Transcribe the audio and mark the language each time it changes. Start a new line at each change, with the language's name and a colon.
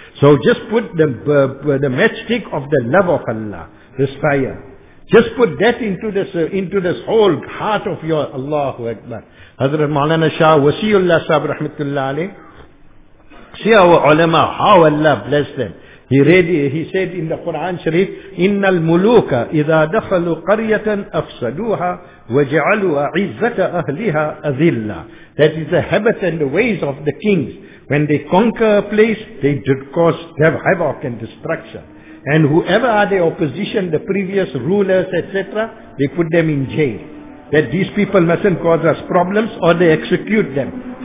English: So just put the matchstick of the love of Allah, this fire. Just put that into this whole heart of your Allahu Akbar. Hazrat Maulana Shah Wasiullah Sahib Rahmatullah Ali. See our ulama, how Allah bless them. He said in the Quran Sharif,
Arabic: إِنَّ الْمُلُوكَ إِذَا دَخَلُوا قَرْيَةً أَفْسَدُوهَا وَجَعَلُوا أَعِزَّةَ أَهْلِهَا أَذِلَّا.
English: That is the habit and the ways of the kings. When they conquer a place, they did cause havoc and destruction. And whoever are the opposition, the previous rulers, etc., they put them in jail. That these people mustn't cause us problems, or they execute them.